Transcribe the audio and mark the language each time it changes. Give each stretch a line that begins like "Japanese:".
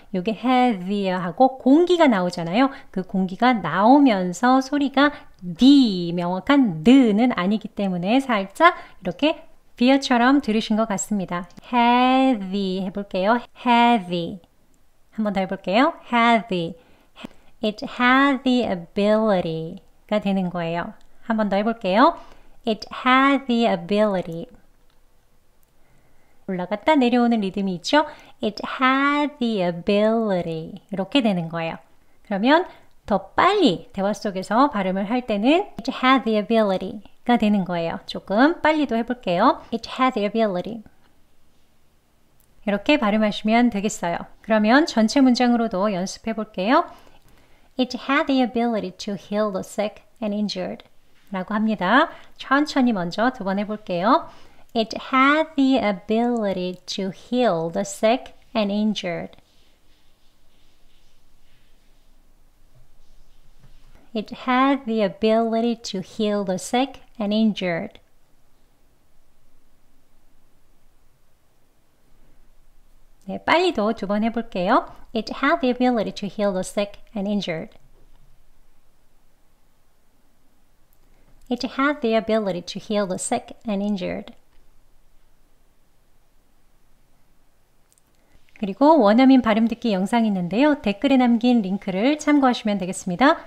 Korean: 여기 had the 하고 공기가 나오잖아요. 그 공기가 나오면서 소리가 the 명확한 the는 아니기 때문에 살짝 이렇게 비어처럼 들으신 것 같습니다. heavy 해볼게요. heavy 한번 더 해볼게요. heavy
English: It had the ability
Korean: 가 되는 거예요. 한번 더 해볼게요.
English: It had the ability
Korean: 올라갔다 내려오는 리듬이 있죠?
English: It had the ability
Korean: 이렇게 되는 거예요. 그러면 더 빨리 대화 속에서 발음을 할 때는
English: It had the ability
Korean: 가 되는 거예요. 조금 빨리도 해볼게요.
English: It had the ability.
Korean: 이렇게 발음하시면 되겠어요. 그러면 전체 문장으로도 연습해 볼게요.
English: It had the ability to heal the sick and injured.
Korean: 라고 합니다. 천천히 먼저 두 번 해볼게요.
English: It had the ability to heal the sick and injured. It had the ability to heal the sick and injured.
Korean: 네, 빨리도 두 번 해볼게요.
English: It had the ability to heal the sick and injured. It had the ability to heal the sick and injured.
Korean: 그리고 원어민 발음 듣기 영상 있는데요. 댓글에 남긴 링크를 참고하시면 되겠습니다.